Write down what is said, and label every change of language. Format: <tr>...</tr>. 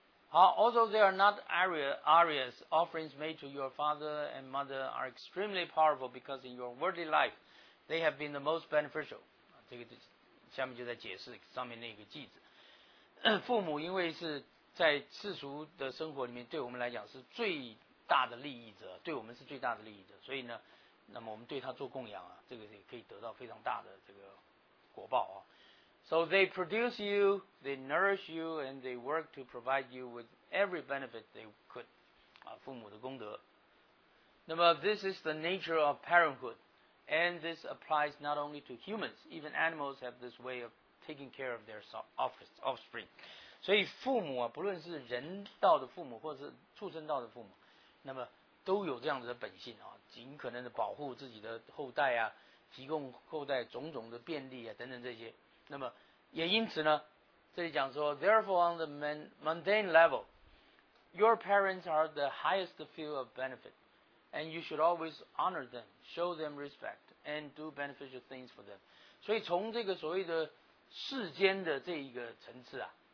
<en>好， although they are not Arias, offerings made to your father and mother are extremely powerful because in your worldly life, they have been the most beneficial.</en> <zh>这个下面就在解释上面那个句子。父母因为是在世俗的生活里面对我们来讲是最大的利益者，对我们是最大的利益者，所以呢，那么我们对他做供养啊，这个也可以得到非常大的这个果报啊。</zh> <en>So they produce you, they nourish you, and they work to provide you with every benefit they could.</en> <zh>啊，父母的功德。那么</zh> <en>this is the nature of parenthood, and this applies not only to humans, even animals have this way of taking care of their offspring.</en> <zh>所以父母啊，不论是人道的父母或是畜生道的父母，那么都有这样子的本性啊，尽可能的保护自己的后代啊，提供后代种种的便利啊等等这些。那么也因此呢，这里讲说</zh> <en>therefore on the mundane level your parents are the highest field of benefit and you should always honor them show them respect and do beneficial things for them</en> <zh>所以从这个所谓的世间的这一个层次啊，</zh>